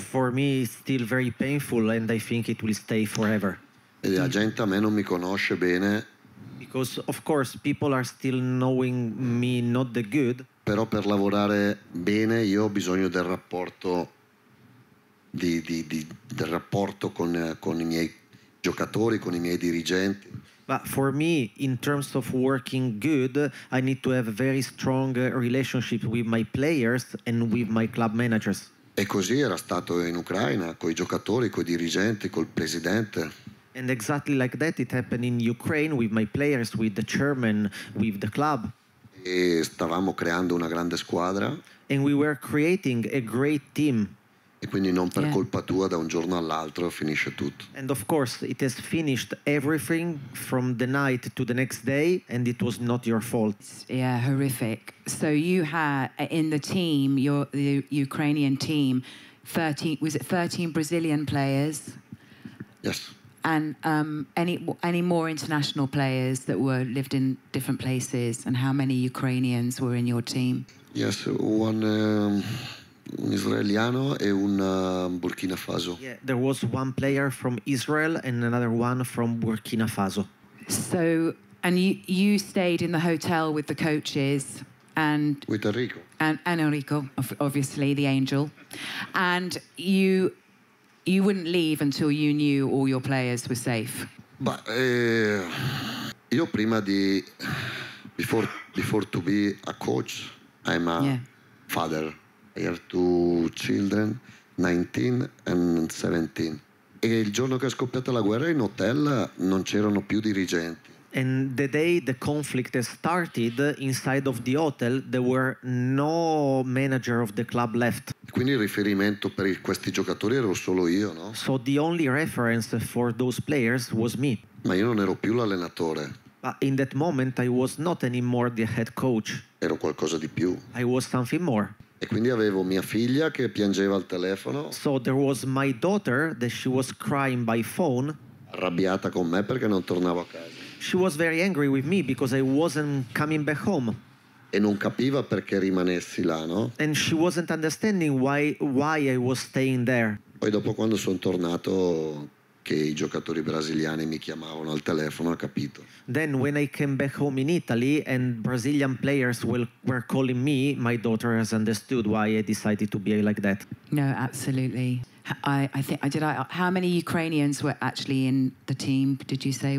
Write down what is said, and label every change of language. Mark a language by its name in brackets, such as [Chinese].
[English] For me, it's still very painful, and I think it will stay forever. [Italian] E la gente a me non mi conosce bene. [English] Because, of course, people are still knowing me not the good. [Italian] Però per lavorare bene io ho bisogno del rapporto del rapporto con i miei giocatori, con i miei dirigenti. [English] But for me, in terms of working good, I need to have a very strong relationship with my players and with my club managers. [Italian] E così era stato in Ucraina, coi giocatori, coi dirigenti, col presidente. [English] And exactly like that, it happened in Ukraine with my players, with the chairman, with the club. [Italian] E stavamo creando una grande squadra. [English] And we were creating a great team. [Italian] E quindi non per colpa tua, da un giorno all'altro finisce tutto. [English] And of course, it has finished everything from the night to the next day, and it was not your fault. Yeah, horrific. So you had in the team, the Ukrainian team, 13 Brazilian players? Yes. And any more international players that lived in different places, and how many Ukrainians were in your team? Yes, one... [Italian] un israeliano e un Burkina Faso. [English] Yeah, there was one player from Israel and another one from Burkina Faso. So, and you stayed in the hotel with the coaches and with Enrico, and Enrico, obviously the angel, and you wouldn't leave until you knew all your players were safe. But [Italian] io prima di [English] before to be a coach, I'm a father. I have two children, 19 and 17. [Italian] E il giorno che è scoppiata la guerra in hotel non c'erano più dirigenti. [English] And the day the conflict started inside of the hotel, there were no manager of the club left. [Italian] Quindi il riferimento per questi giocatori ero solo io, no? [English] So the only reference for those players was me. [Italian] Ma io non ero più l'allenatore. [English] But in that moment I was not anymore the head coach. [Italian] Ero qualcosa di più. [English] I was something more. [Italian] E quindi avevo mia figlia che piangeva al telefono. [English] So there was my daughter that she was crying by phone. [Italian] Arrabbiata con me perché non tornavo a casa. [English] She was very angry with me because I wasn't coming back home. [Italian] E non capiva perché rimanessi là, no? [English] And she wasn't understanding why I was staying there. [Italian] Poi dopo quando sono tornato che i giocatori brasiliani mi chiamavano al telefono, ha capito. [English] Then when I came back home in Italy and Brazilian players were calling me, my daughter has understood why I decided to be like that. No, absolutely. I think how many Ukrainians were actually in the team, did you say?